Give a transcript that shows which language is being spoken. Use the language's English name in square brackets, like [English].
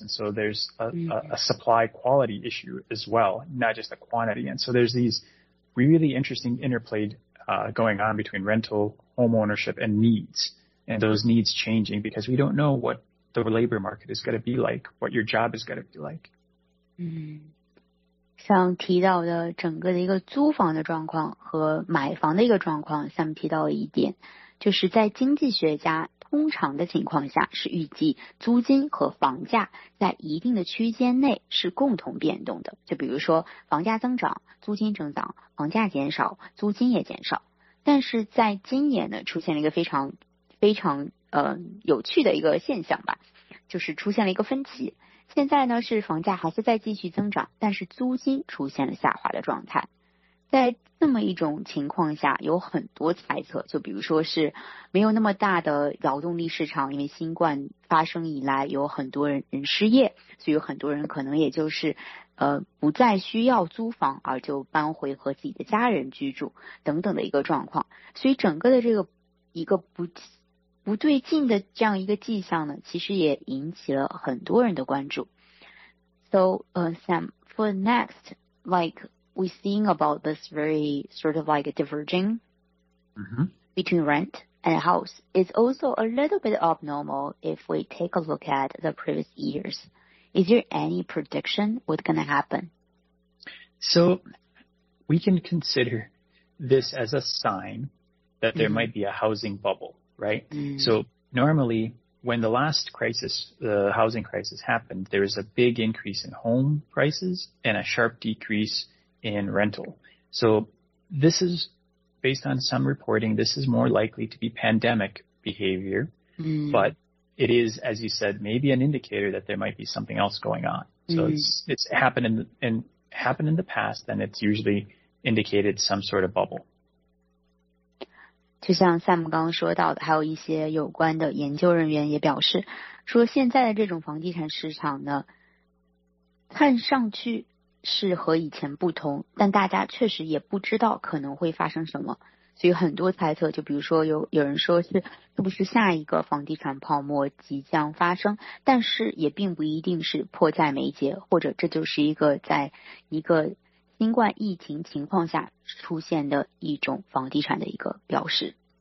[English] And so there's a supply quality issue as well, not just the quantity. And so there's these really interesting interplay going on between rental, home ownership, and needs, and those needs changing because we don't know whatthe labor market is going to be like, what your job is going to be like. [Chinese] 像提到的整个的一个租房的状况和买房的一个状况，下面提到一点，就是在经济学家通常的情况下是预计租金和房价在一定的区间内是共同变动的，就比如说房价增长，租金增长，房价减少，租金也减少。但是在今年呢，出现了一个非常非常有趣的一个现象吧，就是出现了一个分歧。现在呢是房价还是在继续增长，但是租金出现了下滑的状态。在这么一种情况下，有很多猜测，就比如说是没有那么大的劳动力市场，因为新冠发生以来有很多人失业，所以有很多人可能也就是不再需要租房，而就搬回和自己的家人居住等等的一个状况。所以整个的这个一个不对劲的这样一个迹象呢，其实也引起了很多人的关注。 [English] So, Sam, for next, like, we're seeing about this very sort of like a diverging between rent and house. It's also a little bit abnormal if we take a look at the previous years. Is there any prediction what's going to happen? So, we can consider this as a sign that there might be a housing bubble. Right? So normally, when the last crisis, the housing crisis happened, there was a big increase in home prices and a sharp decrease in rental. So this is, based on some reporting, this is more likely to be pandemic behavior, but it is, as you said, maybe an indicator that there might be something else going on. So it's happened happened in the past, and it's usually indicated some sort of bubble. [Chinese] 就像 Sam 刚刚说到的，还有一些有关的研究人员也表示，说现在的这种房地产市场呢，看上去是和以前不同，但大家确实也不知道可能会发生什么，所以很多猜测，就比如说有人说是不是下一个房地产泡沫即将发生，但是也并不一定是迫在眉睫，或者这就是一个在一个新冠疫情情况下出现的一种房地产的一个标识。